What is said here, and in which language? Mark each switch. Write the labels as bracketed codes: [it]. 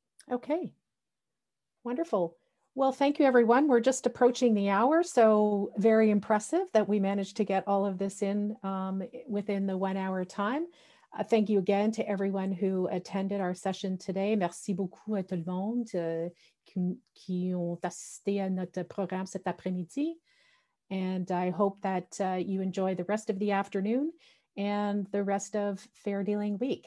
[en] Okay, wonderful. Well, thank you everyone. We're just approaching the hour, so very impressive that we managed to get all of this in within the 1 hour time. Thank you again to everyone who attended our session today. [fr] Merci beaucoup à tout le monde qui ont assisté à notre programme cet après-midi. [en] And I hope that you enjoy the rest of the afternoon and the rest of Fair Dealing Week.